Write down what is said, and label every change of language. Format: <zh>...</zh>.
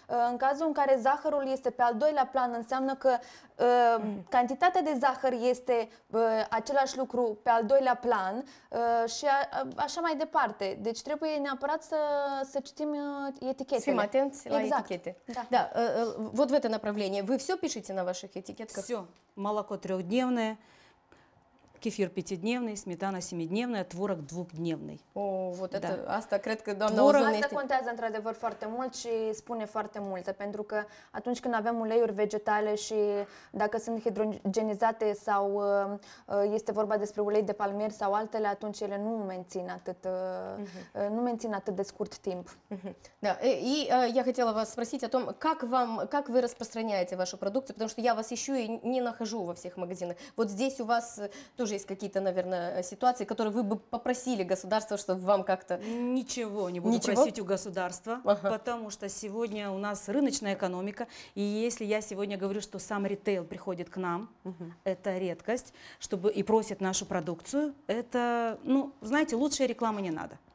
<ro>În cazul în care zahărul este pe al doilea plan, înseamnă că cantitatea de zahăr este același lucru pe al doilea plan și așa mai departe. Deci trebuie neapărat să citim etichetele. Fim atenți la etichete. Da.</ro> <ru>Вот в это направление. Вы все пишете на ваших этикетках? Все. Молоко трехдневное, кефир пятидневный, сметана семидневная, творог двухдневный. О, вот да.</ru> <ro>Это, аста, cred că doamna Озун este... Asta contează într-adevăr foarte mult și spune foarte multe, pentru că atunci când avem uleiuri vegetale și dacă sunt hidrogenizate sau este vorba despre ulei de palmier sau altele, atunci ele nu mențin atât, nu mențin atât de scurt timp. Da, și eu</ro> <ru>хотела вас спросить о том, как вы распространяете вашу продукцию, потому что я вас ищу и не нахожу во всех магазинах. Вот здесь у вас... Тоже есть какие-то, наверное, ситуации, которые вы бы попросили государство, чтобы вам как-то... Ничего не буду просить у государства, потому что сегодня у нас рыночная экономика, и если я сегодня говорю, что сам ритейл приходит к нам, это редкость, чтобы и просит нашу продукцию, это, ну, знаете, лучшей рекламы не надо.</ru>